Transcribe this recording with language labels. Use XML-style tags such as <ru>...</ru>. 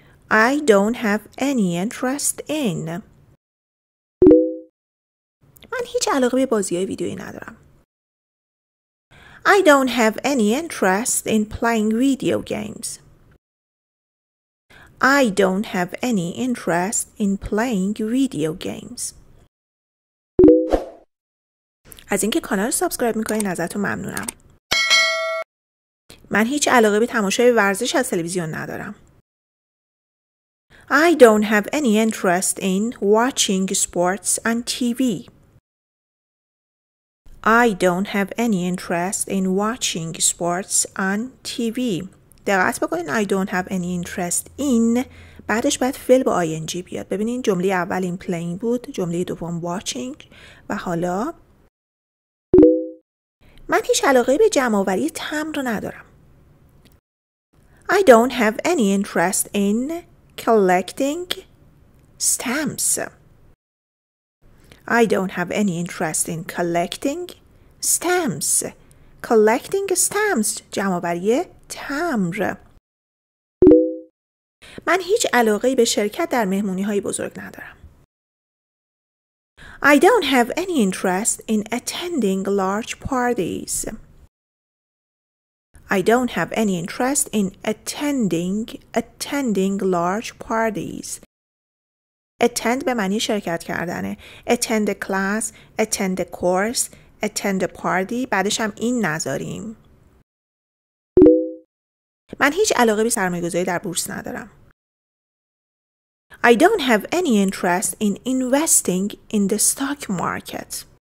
<en>I don't have any interest in.</en> <fa>من هیچ علاقه به بازی‌های ویدیویی ندارم.</fa> <en>I don't have any interest in playing video games. I don't have any interest in playing video games.</en> <fa>از اینکه کانال سابسکرایب میکنین ازتون ممنونم. من هیچ علاقه به تماشای ورزش از تلویزیون ندارم.</fa> <en>I don't have any interest in watching sports on TV. I don't have any interest in watching sports on TV.</en> <fa>دقت بکنین</fa> <en>I don't have any interest in.</en> <fa>بعدش باید فعل با ing بیاد. ببینین جمله اول این playing بود. جمله دوم watching. و حالا من هیچ علاقه به جمع‌آوری تمر ندارم.</fa> <en>I don't have any interest in collecting stamps. I don't have any interest in collecting stamps. Collecting stamps,</en> <fa>جمع‌آوری تمر. من هیچ علاقه‌ای به شرکت در مهمونی‌های بزرگ ندارم.</fa> <en>I don't have any interest in attending large parties. I don't have any interest in attending large parties.</en> <fa>Attend به معنی شرکت کردنه.</fa> <en>Attend a class, attend a course, attend a party.</en> <fa>بعدش هم این نذاریم. من هیچ علاقه به سرمایه‌گذاری در بورس ندارم.</fa> <en>I don't have any interest in investing in the stock market.</en>